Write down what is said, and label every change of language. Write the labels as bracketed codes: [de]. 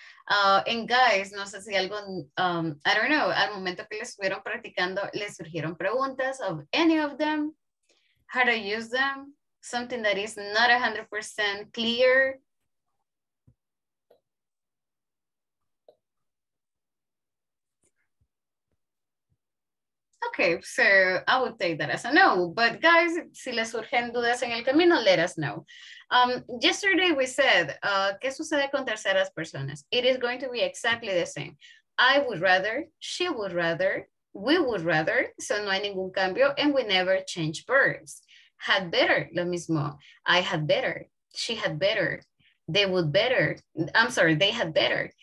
[en] And guys, [es] no sé si algo, [en] I don't know, [es] al momento que les estuvieron practicando, les surgieron preguntas [en] of any of them, how to use them, something that is not 100% clear. Okay, so I would take that as a no, but guys, [es] si les surgen dudas en el camino, [en] let us know. Yesterday we said, [es] ¿qué sucede con terceras personas? [en] It is going to be exactly the same. I would rather, she would rather, we would rather, so [es] no hay ningún cambio, [en] and we never change verbs. Had better, [es] lo mismo. [en] I had better, she had better, they would better, I'm sorry, they had better.